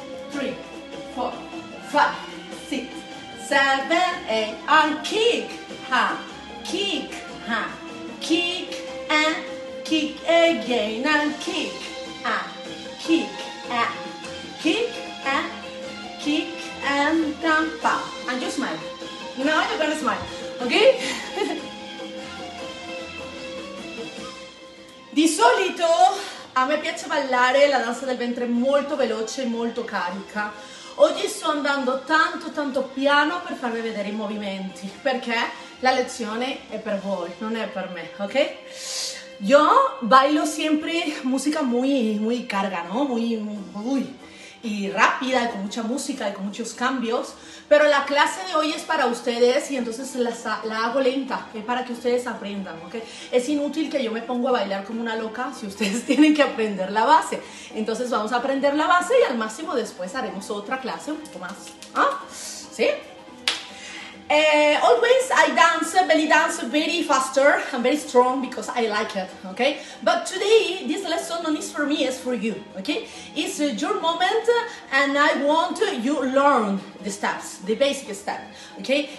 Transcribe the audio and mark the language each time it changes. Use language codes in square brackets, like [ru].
[en] 3, 4, 5, 6, 7, 8, and kick, hand, kick, hand, kick, and kick again, and kick, and kick, and kick, and kick, and down, pow, and you smile, now you're gonna smile, okay? [it] Di solito a me piace ballare la danza del ventre molto veloce e molto carica. Oggi sto andando tanto tanto piano per farvi vedere i movimenti, perché la lezione è per voi, non è per me, ok? [es] Io bailo sempre musica muy carga, no? Muy y rápida, con mucha música y con muchos cambios, pero la clase de hoy es para ustedes y entonces la hago lenta, es para que ustedes aprendan, ¿ok? Es inútil que yo me ponga a bailar como una loca si ustedes tienen que aprender la base. Entonces vamos a aprender la base y al máximo después haremos otra clase un poco más, ¿ah? ¿Sí? [en] Always I dance, belly dance, very faster and very strong because I like it, okay? But today, this lesson not is for me, it's for you, okay? It's your moment and I want you to learn the steps, the basic step, okay?